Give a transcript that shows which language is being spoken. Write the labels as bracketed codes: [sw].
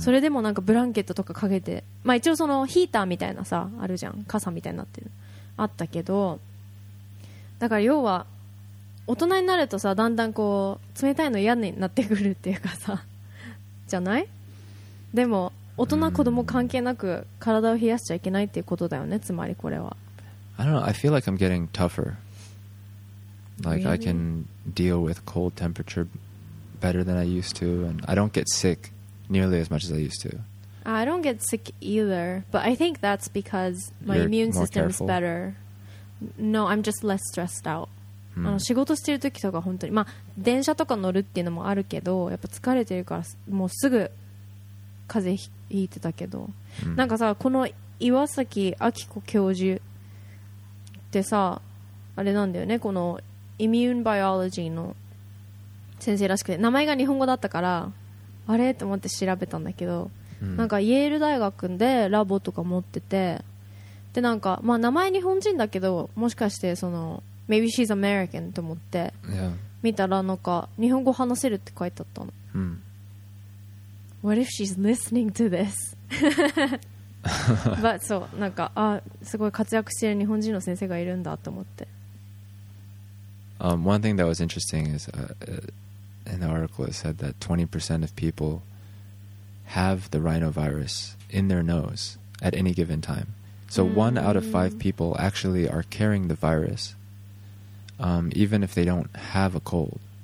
[ja] それでもなんかブランケットとかかけて、まあ、一応そのヒーターみたいなさあるじゃん傘みたいになってるあったけどだから要は大人になるとさだんだんこう冷たいの嫌になってくるっていうかさじゃないでも大人、うん、子供関係なく体を冷やしちゃいけないっていうことだよねつまりこれは [en] I don't know I feel like I'm getting tougher Like、 really? I can deal with cold temperature better than I used to And I don't get sicknearly as much as I used to. I don't get sick either, but I think that's because my、 You're、 immune system、 careful. is better. No, I'm just less stressed out.、 Mm. [ja] あの仕事してる時とか本当に、まあ電車とか乗るっていうのもあるけど、やっぱ疲れてるからもうすぐ風邪ひいてたけど、 mm. なんかさこの岩崎明子教授ってさあれなんだよねこの immune biology の先生らしくて名前が日本語だったから。あれと思って調べたんだけど、うん、なんかイェール大学でラボとか持っててでなんか、まあ、名前日本人だけどもしかしてその [en] Maybe she's American [ja] と思って、 yeah. 見たらなんか日本語話せるって書いてあったの、うん、 [en] What if she's listening to this? [ja] But そうなんかあすごい活躍してる日本人の先生がいるんだと思って、 [en] One thing that was interesting is In the article, it said that 20% of people have the rhinovirus in their nose at any given time. So one out of five people actually are carrying the virus, even if they don't have a cold.